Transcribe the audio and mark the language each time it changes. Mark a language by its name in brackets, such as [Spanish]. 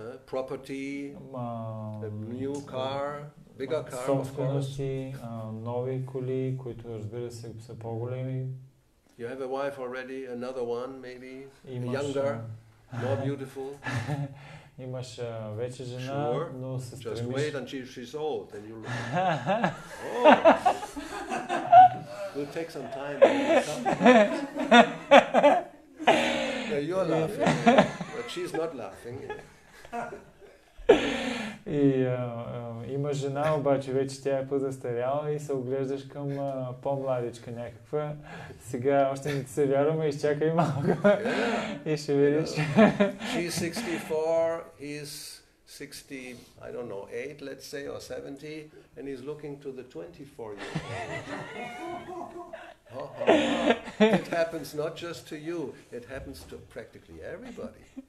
[English] property, a new car, bigger car, [Bulgarian] собствености, нови коли, които разбира се са по-големи. [English] You have a wife already, another one maybe, [Bulgarian] имаш, [English] younger, more beautiful. [Bulgarian] Имаш вече жена, [English] sure. [Bulgarian] Но се стремиш. [English] Just wait until she's old, then you look. Oh. We'll take some time. Yeah, you're laughing, but she's not laughing. [Bulgarian] И има жена, обаче вече тя е по-застаряла и се оглеждаш към по-младичка някаква. Сега още не ти се вярваме, изчакай малко и ще видиш. [English] She's 64, he's 60, I don't know, 8, let's say, or 70, and he's looking to the 24-year-old. It happens not just to you, it happens to practically everybody.